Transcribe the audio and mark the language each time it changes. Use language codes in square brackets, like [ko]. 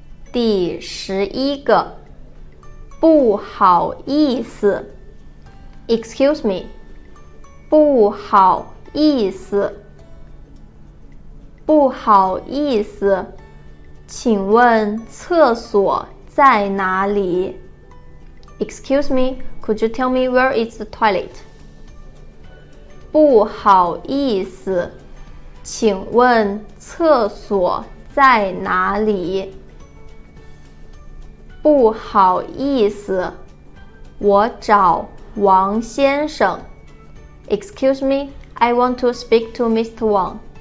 [zh] 第十一个，不好意思。 [en] Excuse me. [zh] 不好意思。不好意思，请问厕所在哪里？ [en] Excuse me. Could you tell me where is the toilet? [zh] 不好意思，请问厕所在哪里？不好意思，我找王先生。 [en] Excuse me, I want to speak to Mr. Wang.